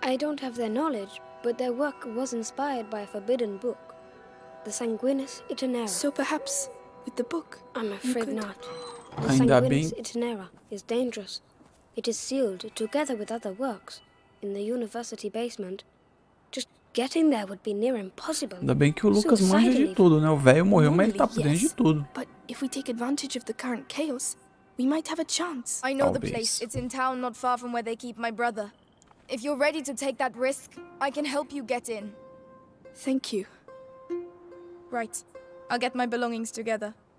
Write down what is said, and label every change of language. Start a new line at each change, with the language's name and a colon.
English: I don't have their knowledge, but their work was inspired by a forbidden book. The Sanguinis Itinera. So perhaps, with the book, I'm afraid you could... not. The Sanguinis Itinera is dangerous. It is sealed, together with other works, in the university basement. Just getting there would be near impossible.
Portuguese: Ainda bem que o Lucas manja de tudo, né? O velho morreu, mas ele tá por dentro de tudo.
English: But if we take advantage of the current chaos, we might have a chance. I know the place. It's in town, not far from where they keep my brother. If you're ready to take that risk, I can help you get in. Thank you. Right. I'll get my belongings together.